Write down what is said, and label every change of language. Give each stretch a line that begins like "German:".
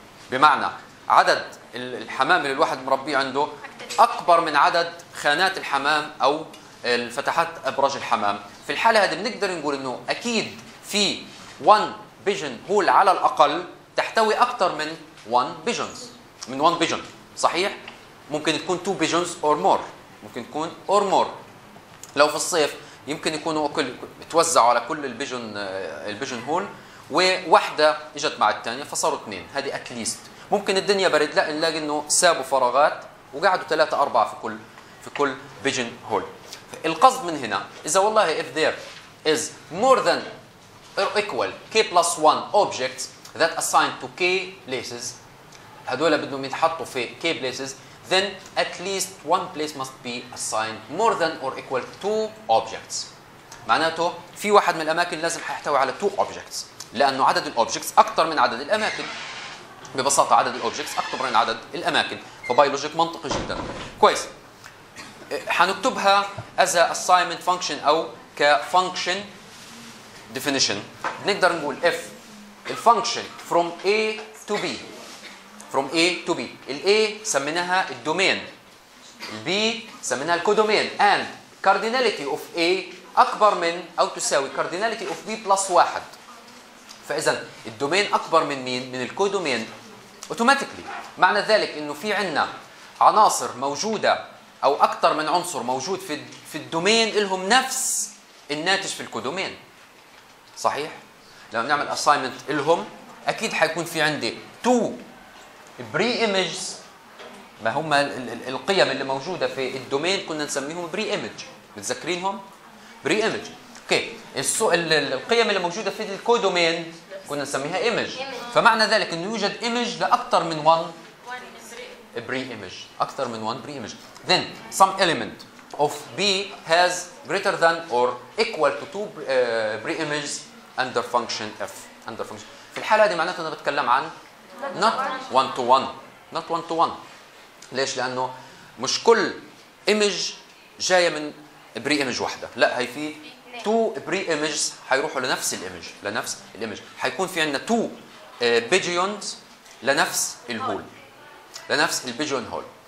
Arabic: بمعنى عدد الحمام اللي الواحد مربيه عنده أكبر من عدد خانات الحمام أو الفتحات أبراج الحمام، في الحالة هذه بنقدر نقول إنه أكيد في 1 بيجن هول على الأقل تحتوي أكثر من 1 بيجنز، من 1 بيجن، صحيح؟ ممكن تكون 2 بيجنز أور مور، ممكن تكون أور مور. لو في الصيف يمكن يكونوا كل توزعوا على كل البيجن هول وواحدة اجت مع الثانية فصاروا اثنين، هذه اتليست. ممكن الدنيا برد لا نلاقي انه سابوا فراغات وقعدوا ثلاثة أربعة في كل في كل بيجن هول. القصد من هنا اذا والله
English: if there is more than or equal k plus 1 objects that assigned to k places,
Arabic: هذول بدهم يتحطوا في
English: k places, then at least one place must be assigned more than or equal to objects.
Arabic: معناته في واحد من الاماكن لازم حيحتوي على two objects لانه عدد الاوبجكتس اكثر من عدد الاماكن. ببساطه عدد الاوبجكتس اكبر من عدد الاماكن, فبايولوجيك منطقي جدا. كويس, حنكتبها
English: as a assignment function
Arabic: او ك function definition. نقدر نقول
English: if الفانكشن from A to B, from A to B,
Arabic: ال A سميناها الدومين, ال B سميناها الكودومين,
English: and cardinality of A
Arabic: أكبر من أو تساوي
English: cardinality of B plus 1.
Arabic: فإذا الدومين أكبر من مين؟ من الكودومين. أوتوماتيكلي معنى ذلك إنه في عنا عناصر موجودة أو أكثر من عنصر موجود في الدومين إلهم نفس الناتج في الكودومين. صحيح؟ لما بنعمل assignment إلهم أكيد حيكون في عندي
English: two pre-images,
Arabic: ما هم القيم اللي موجودة في الدومين كنا نسميهم pre-image, متذكرينهم؟ pre-image. اوكي, القيم اللي موجودة في الكودومين كنا نسميها image. فمعنى ذلك إنه يوجد image لأكثر من
English: one pre-image,
Arabic: أكثر من one pre-image.
English: Then some element of B has greater than or equal to two pre-images under function f, under function.
Arabic: في الحاله دي معناته انا بتكلم عن
English: not one to one, not one to one.
Arabic: ليش؟ لانه مش كل image جايه من بري ايمج واحده, لا, هي في تو بري ايمجز حيروحوا لنفس الايمج, لنفس الايمج حيكون في عندنا تو بيجيونز لنفس الهول, لنفس البيجيون هول.